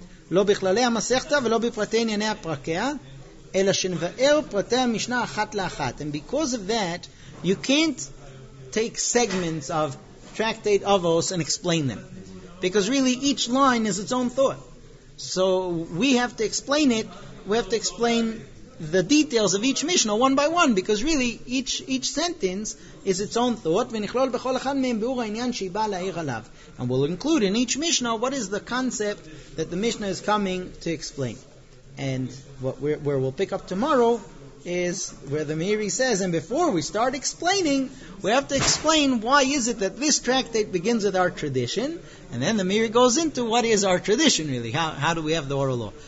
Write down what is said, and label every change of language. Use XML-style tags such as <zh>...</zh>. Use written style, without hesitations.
<he>לא בכללי המסכתה ולא בפרטי ענייני הפרקיה, אלא שנבאר פרטי המשנה אחת לאחת.</he> <en>And because of that, you can't take segments of tractate Avos and explain them. Because really each line is its own thought. So we have to explain it, we have to explain the details of each Mishnah one by one, because really each sentence is its own thought.</en> <he>ונכלול בכל אחד מהם ביאור העניין שהיא באה להעיר עליו.</he> <en>And we'll include in each Mishnah what is the concept that the Mishnah is coming to explain. And where we'll pick up tomorrow is where the Meiri says, and before we start explaining, we have to explain why is it that this tractate begins with our tradition, and then the Meiri goes into what is our tradition really, how do we have the oral law.</en>